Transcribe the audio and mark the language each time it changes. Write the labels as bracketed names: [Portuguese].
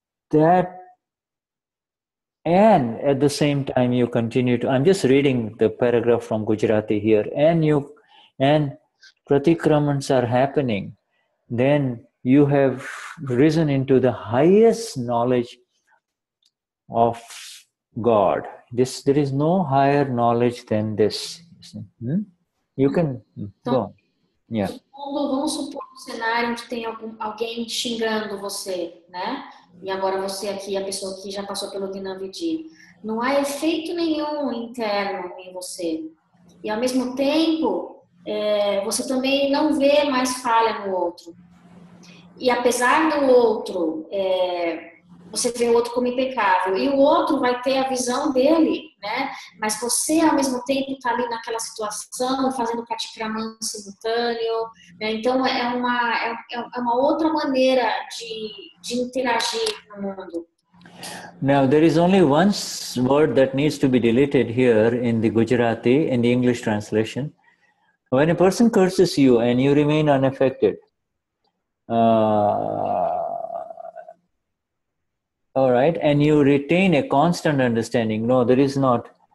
[English] That, and at the same time you continue to, I'm just reading the paragraph from Gujarati here, and you, and pratikramans are happening, then you have risen into the highest knowledge of God. This, there is no higher knowledge than this. You can go. Yeah. [Portuguese] Supondo, vamos supor um cenário onde tem algum, alguém xingando você, né? E agora você aqui, a pessoa que já passou pelo Dhinavidhi. Não há efeito nenhum interno em você. E ao mesmo tempo, é, você também não vê mais falha no outro. E apesar do outro, é, você vê o outro como impecável. E o outro vai ter a visão dele, né? Mas você, ao mesmo tempo, está ali naquela situação, fazendo pratikraman simultâneo. Né? Então, é uma outra maneira de interagir no mundo. [English] Now, there is only one word that needs to be deleted here in the Gujarati, in the English translation. When a person curses you and you remain unaffected, all right, and you retain a constant understanding. No, there is not.